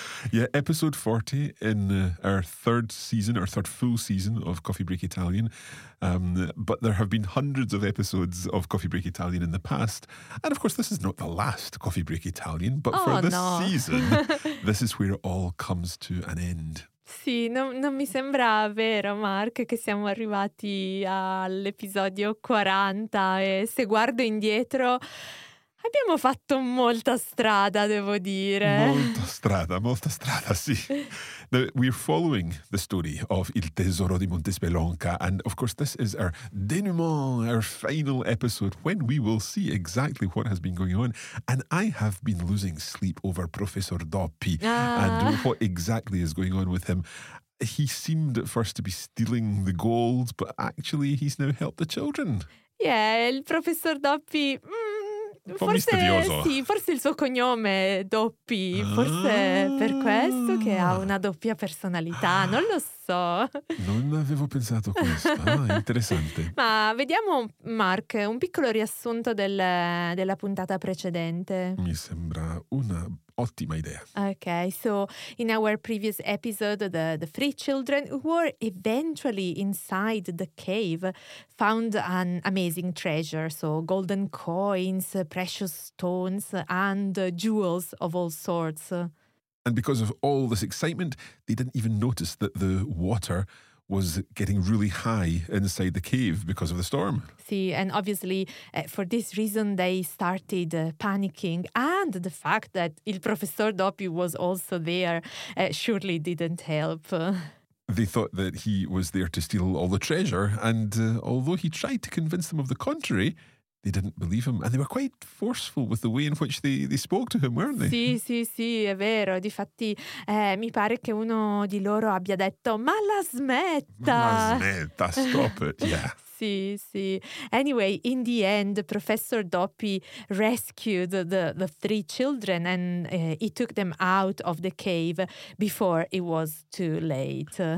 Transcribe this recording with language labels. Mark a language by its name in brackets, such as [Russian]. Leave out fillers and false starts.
[English] Yeah, Episode 40 in our third full season of Coffee Break Italian. But there have been hundreds of episodes of Coffee Break Italian in the past. And of course, this is not the last Coffee Break Italian, but season, this is where it all comes to an end. [Italian] Sì, non mi sembra vero, Mark, che siamo arrivati all'episodio 40 e se guardo indietro abbiamo fatto molta strada, devo dire. Molta strada, sì. [English] Now, we're following the story of Il Tesoro di Montespelonca, and of course this is our denouement, our final episode, when we will see exactly what has been going on. And I have been losing sleep over Professor Doppi and what exactly is going on with him. He seemed at first to be stealing the gold, but actually he's now helped the children. Yeah, Il Professor Doppi... [Italian] Forse sì, forse il suo cognome è Doppi, forse per questo che ha una doppia personalità, non lo so. Non avevo pensato questo, interessante. Ma vediamo, Mark, un piccolo riassunto della puntata precedente. Mi sembra una ottima idea. [English] Okay, so in our previous episode, the three children who were eventually inside the cave found an amazing treasure, so golden coins, precious stones and jewels of all sorts. And because of all this excitement, they didn't even notice that the water was getting really high inside the cave because of the storm. See, and obviously, for this reason, they started panicking. And the fact that Il Professor Doppi was also there surely didn't help. They thought that he was there to steal all the treasure. And although he tried to convince them of the contrary, they didn't believe him, and they were quite forceful with the way in which they spoke to him, weren't they? [Italian] Sì, sì, sì, è vero. Difatti, mi pare che uno di loro abbia detto, ma la smetta! Ma la smetta, [English] stop it, yeah. [Italian] Sì, sì. [English] Anyway, in the end, Professor Doppi rescued the three children and he took them out of the cave before it was too late.